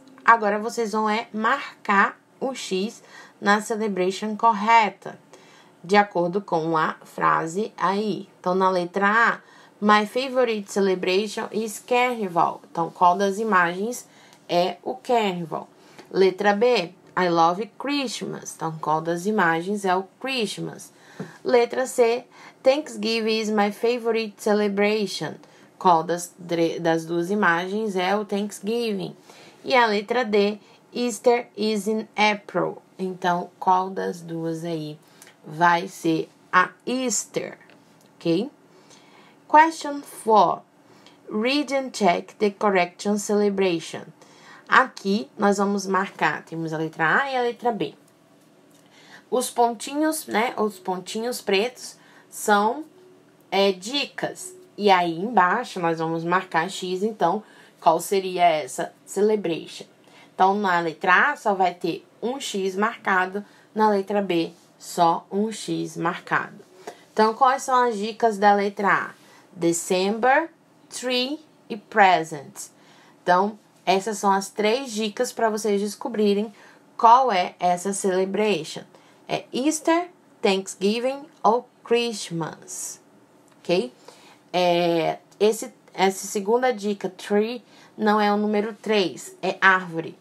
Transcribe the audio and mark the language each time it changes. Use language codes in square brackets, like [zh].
[pt] Agora vocês vão marcar o X na celebration correta, de acordo com a frase aí. Então, na letra A, [en] My favorite celebration is Carnival. [pt] Então, qual das imagens é o Carnival? Letra B. [en] I love Christmas. [pt] Então, qual das imagens é o Christmas? Letra C. [en] Thanksgiving is my favorite celebration. [pt] Qual das duas imagens é o Thanksgiving? E a letra D. [en] Easter is in April. [pt] Então, qual das duas aí vai ser a Easter? [en] Ok? Question 4. Read and check the correction celebration. [pt] Aqui nós vamos marcar, temos a letra A e a letra B. Os pontinhos, né? Os pontinhos pretos são dicas. E aí embaixo nós vamos marcar X, então, qual seria essa celebration? Então, na letra A só vai ter um X marcado, na letra B só um X marcado. Então, quais são as dicas da letra A? [en] December, tree e present. [pt] Então, essas são as 3 dicas para vocês descobrirem qual é essa celebration. É Easter, Thanksgiving ou Christmas? Ok? Essa segunda dica, tree, não é o número 3, é árvore.